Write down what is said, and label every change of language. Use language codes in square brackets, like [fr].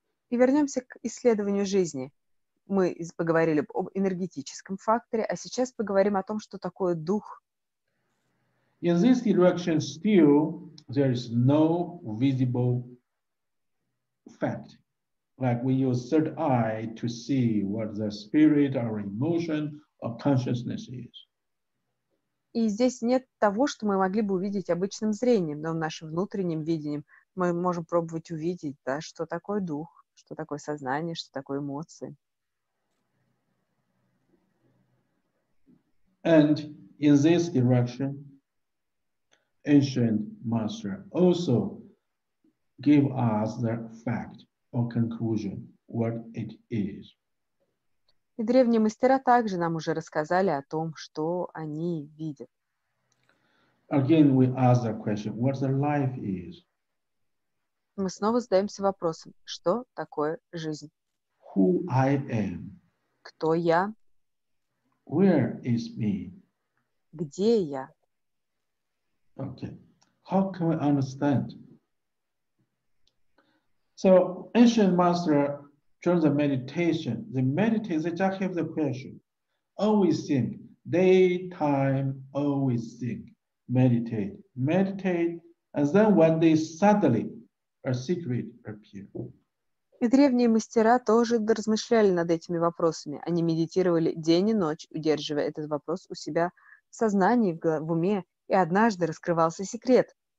[ru] И вернемся к исследованию жизни. Мы поговорили об энергетическом факторе, а сейчас поговорим о том, что такое дух. [en] In this direction, still there is no visible fact. Like we use third eye to see what the spirit or emotion or consciousness is. [ru] И здесь нет того, что мы могли бы увидеть обычным зрением, но в нашем внутреннем видении мы можем пробовать увидеть, да, что такое дух, что такое сознание, что такое эмоции. [en] And in this direction, ancient master also gave us the fact or conclusion what it is. [ru] И древние мастера также нам уже рассказали о том, что они видят. [en] Again, we ask the question, what the life is? [ru] Мы снова задаемся вопросом, что такое жизнь? [en] Who I am? [ru] Кто я? [en] Where is me? [ru] Где я? [en] Okay, how can we understand? So ancient master during the meditation, they just have the question. Always think, day, time, always think, meditate, and then one day suddenly a secret appears. [ru] И древние мастера тоже размышляли над этими вопросами. Они медитировали день и ночь, удерживая этот вопрос у себя в сознании, в уме. И однажды раскрывался секрет.